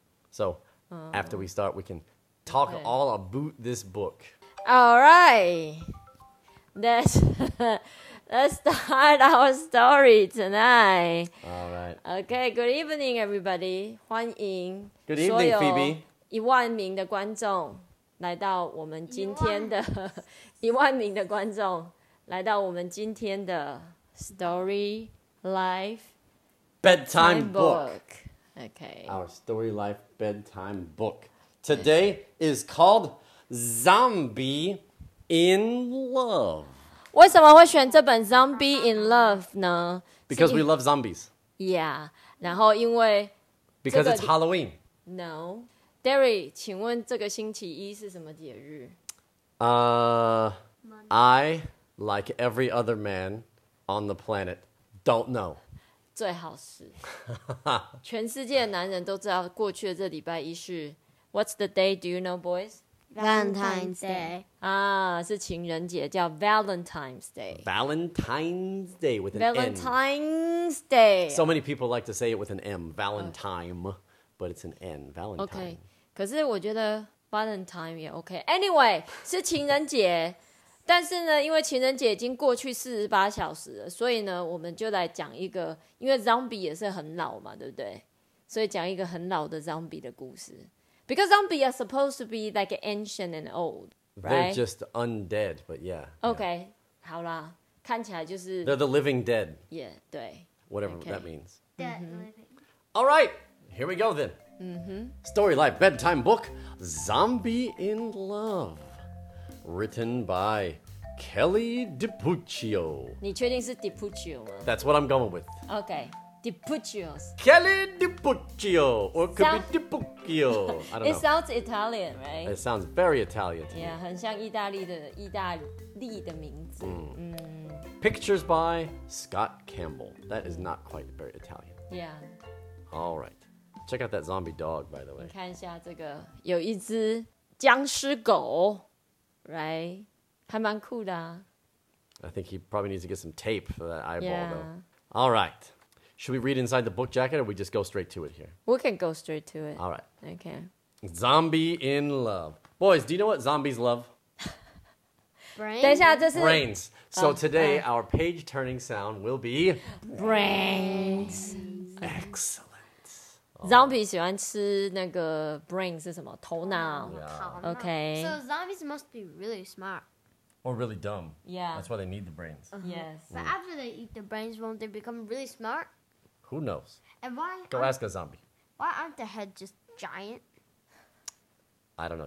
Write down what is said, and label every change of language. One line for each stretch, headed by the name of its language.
English: So, after we start, we can talk all about this book. All right. Let's start our story tonight. All right. Okay, good evening, everybody.
Chinese: 欢迎.
English: Good evening, Phoebe.
Chinese: 一万名的观众来到我们今天的一万名的观众来到我们今天的 Story Life
English: Bedtime Book. Okay. Our Story Life Bedtime Book. Today is called Zombie in Love.
Chinese: 为什么会选这本 Zombie in Love 呢?
English: Because we love zombies. Yeah.
Chinese: 然后因为
English: Because it's Halloween. No.
Chinese: Derry, 请问这个星期一是什么节日?
English: I, like every other man on the planet, don't know.
Chinese: 最好是。全世界的男人都知道过去的这礼拜一是
English: What's the day, do you know, boys? Valentine's Day.
Chinese: 啊，是情人节，叫 Valentine's Day.
English: Valentine's Day with an Valentine's Day. So many people like to say it with an M, Valentine, but it's an N, Valentine. Okay.
Chinese: 可是我觉得 Valentine 也 OK.
English: Anyway,
Chinese: 是情人节。但是呢因为情人节已经过去48小时了所以呢我们就来讲一个因为 Zombie 也是很老嘛对不对所以讲一个很老的 Zombie 的故事。
English: Because Zombie are supposed to be like ancient and old, right? They're just undead, but yeah. Okay, yeah.
Chinese: 好啦看起来就是
English: They're the living dead. Yeah,
Chinese: 对。
English: Whatever that means. Dead living. All right, here we go then. Story Life Bedtime Book, Zombie in Love, written by Kelly DiPuccio.
Chinese: 你确定是 DiPuccio 吗?
English: That's what I'm going with. Okay, DiPuccio's. Kelly DiPuccio, or it could be DiPuccio. I don't know. It sounds Italian, right? It sounds very Italian to me. Yeah,
Chinese: 很像意大利的名字。
English: Pictures by Scott Campbell. That is not quite very Italian. Yeah. All right. Check out that zombie dog, by the way.
Chinese: 你看一下这个，有一只僵尸狗 ，
English: right?
Chinese: 还蛮酷的、
English: 啊。I think he probably needs to get some tape for that eyeball, though. All right. Should we read inside the book jacket, or we just go straight to it here? We can go straight to it. All right. Okay. Zombie in love. Boys, do you know what zombies love? Brains.
Chinese: 等一下，这是
English: brains. So today, our page-turning sound will be brains. Excellent.
Chinese: Zombie 喜欢吃那个 brain 是什么？头脑。OK.
English: So zombies must be really smart. Or really dumb. Yeah. That's why they need the brains. Yes. But after they eat the brains, won't they become really smart? Who knows? And why? Go ask a zombie. Why aren't the head just giant? I don't know.